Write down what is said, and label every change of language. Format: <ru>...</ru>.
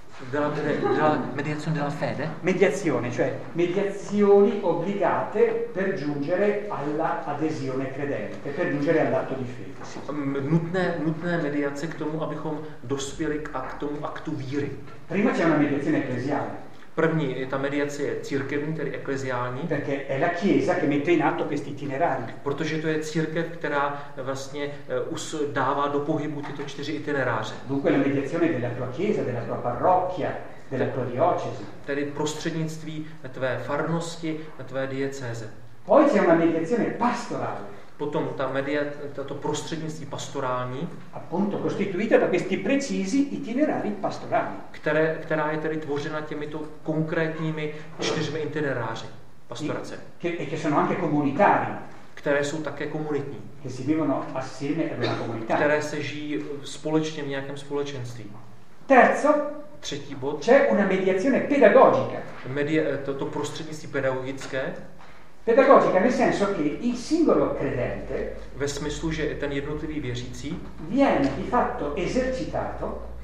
<it>Della mediazione della fede? Mediazione, cioè mediazioni obbligate per giungere alla adesione credente, per giungere all'atto di fede. Sì.</it> <cs>Nutné mediace k tomu, abychom dospěli k tomu aktu víry.</cs> <it>Prima c'è una mediazione ecclesiale.</it> <cs>První je ta mediace církevní, tedy ekleziální.</cs> <it>Perché è la chiesa che mette in atto questi itinerari.</it> <cs>Protože to je církev, která vlastně dává do pohybu tyto čtyři itineráře.</cs> <it>Dunque la mediazione della tua chiesa, della tua parrocchia, della tua diocesi.</it> <cs>Tedy prostřednictví tvé farnosti, tvé diecéze.</cs> <it>Poi c'è una mediazione pastorale.</it> <cs>Potom ta tato prostřednictví pastorální,</cs> <it>appunto costituita da questi precisi itinerari pastorali,</it> <cs>která je tedy tvořena těmito konkrétními čtyřmi itineráři pastorace,</cs> <it>che sono anche comunitari,</it> <cs>které jsou také komunitní,</cs> <it>che si vivono assieme in una comunità,</it> <cs>které se žijí společně v nějakém společenství.</cs> <it>Terzo,</it> <cs>třetí bod,</cs> <it>c'è una mediazione pedagogica,</it> <cs>tato prostřednictví pedagogické.</cs> <it>Pedagogica nel senso che il singolo credente,</it> <cs>ve smyslu, že ten jednotlivý věřící,</cs> <it>viene di fatto esercitato,</it>